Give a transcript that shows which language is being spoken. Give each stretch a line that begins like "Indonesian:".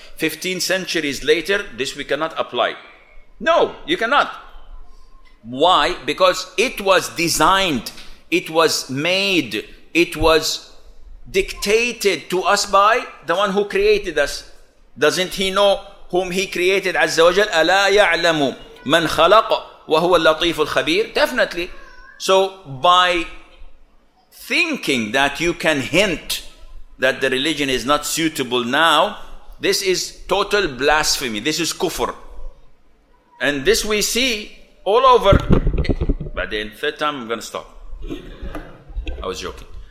English: 15 centuries later, this we cannot apply. No, you cannot. Why? Because it was designed, it was made, it was dictated to us by the one who created us. Doesn't he know whom he created?
Arabic: Azza wa Jal, أَلَا يَعْلَمُ مَنْ خَلَقَ وَهُوَ اللَّطِيفُ الْخَبِيرُ.
English: Definitely. So by thinking that you can hint that the religion is not suitable now, this is total blasphemy. This is kufr. And this we see all over. By the third time, I'm going to stop. I was joking.